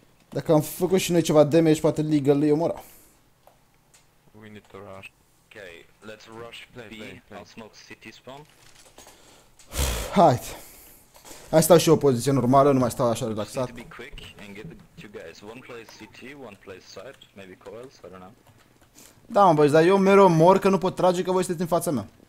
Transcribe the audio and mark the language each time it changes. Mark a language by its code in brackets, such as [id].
[ro] Dacă am făcut și noi ceva damage, poate liga lui omora. [en] We need to rush. Okay, let's rush play, B. Play, play. I'll smoke city spawn. [ro] Haide. Hai stau și eu o poziție normală, nu mai stau așa relaxat. [en] Be quick and get the two guys. One plays city, one plays side, maybe coils, I don't know. [ro] Da, mă, băi, dar eu mereu mor că nu pot trage că voi sunteți în fața mea.